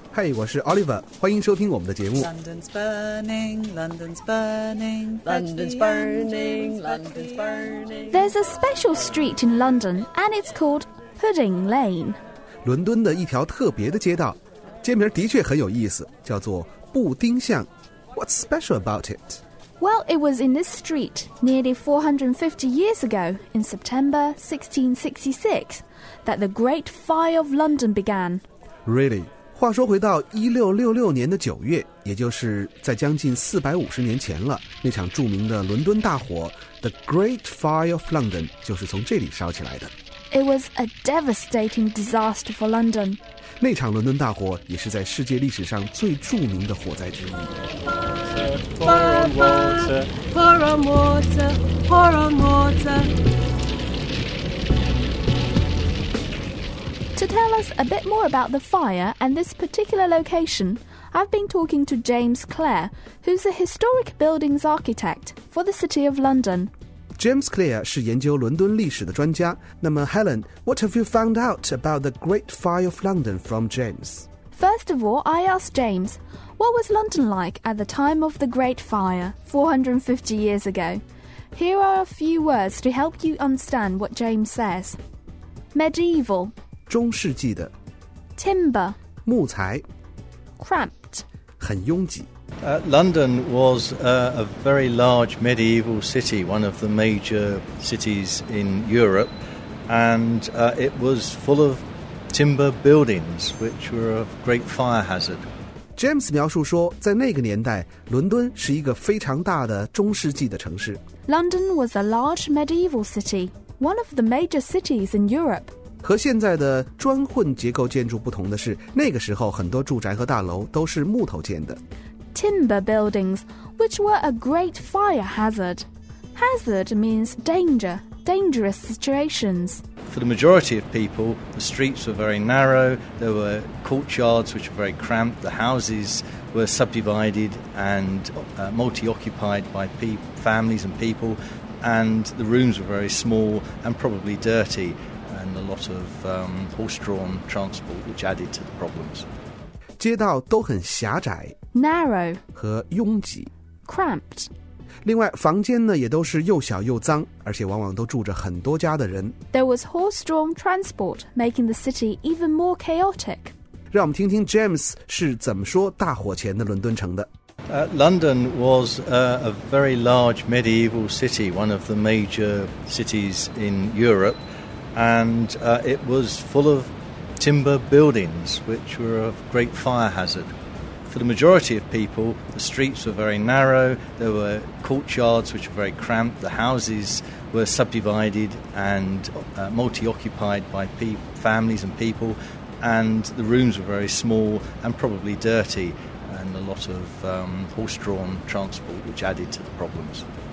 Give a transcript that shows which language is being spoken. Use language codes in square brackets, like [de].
[zh] Hey, 我是 Oliver. 欢迎收听我们的节目。 [en] London's burning, London's burning, London's burning, London's burning. There's a special street in London, and it's called Pudding Lane. [zh] 伦敦的一条特别的街道，街名的确很有意思，叫做布丁巷。 [en] What's special about it? Well, it was in this street nearly 450 years ago, in September 1666, that the Great Fire of London began. Really? [zh] 话说回到1666年的9月，也就是在将近450年前了，那场著名的伦敦大火 The Great Fire of London 就是从这里烧起来的。 [en] It was a devastating disaster for London. [zh] 那场伦敦大火也是在世界历史上最著名的火灾之一。 [en] Pour on water, pour on water. To tell us a bit more about the fire and this particular location, I've been talking to James Clare, who's a historic buildings architect for the City of London. [zh] James Clare 是研究伦敦历史的专家。 [en] 那么 Helen, what have you found out about the Great Fire of London from James? First of all, I asked James, what was London like at the time of the Great Fire, 450 years ago? Here are a few words to help you understand what James says. Medieval. [zh] 中世纪的 [en] Timber. [zh] 木材 [en] Cramped. [zh] 很拥挤 [en] London was a very large medieval city, one of the major cities in Europe, and it was full of... timber buildings, which were of great fire hazard. [zh] James 描述说，在那个年代，伦敦是一个非常大的中世纪的城市。 [en] London was a large medieval city, one of the major cities in Europe. [zh] 和现在的砖混结构建筑不同的是，那个时候很多住宅和大楼都是木头建的。 [en] Timber buildings, which were a great fire hazard. Hazard means danger, dangerous situations. For the majority of people, the streets were very narrow, there were courtyards which were very cramped, the houses were subdivided and multi-occupied by families and people, and the rooms were very small and probably dirty, and a lot of horse-drawn transport which added to the problems. [zh] 街道都很狭窄 [en] narrow [zh] 和拥挤 [en] cramped. [zh] 另外房间呢也都是又小又脏而且往往都住着很多家的人 [en] There was horse-drawn transport making the city even more chaotic [zh] 让我们听听 James 是怎么说大火前的伦敦城的 [en] London was a very large medieval city one of the major cities in Europe and it was full of timber buildings which were of great fire hazardFor the majority of people, the streets were very narrow, there were courtyards which were very cramped, the houses were subdivided and multi-occupied by families and people, and the rooms were very small and probably dirty, and a lot of horse-drawn transport which added to the problems.